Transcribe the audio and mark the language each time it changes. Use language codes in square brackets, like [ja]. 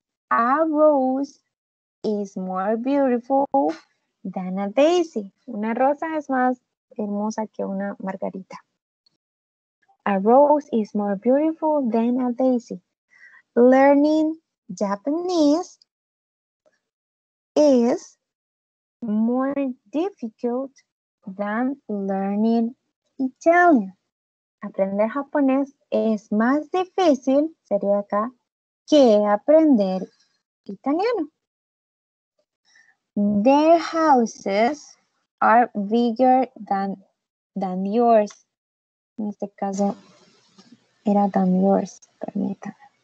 [en] A rose is more beautiful than a daisy. [es] Una rosa es más hermosa que una margarita. [en] A rose is more beautiful than a daisy. Learning Japanese is more difficult than learning Italian. [es] Aprender japonés es más difícil, sería acá, que aprender italiano. [en] Their houses are bigger than yours. [es] En este caso era [en] than yours, [es] permítanme.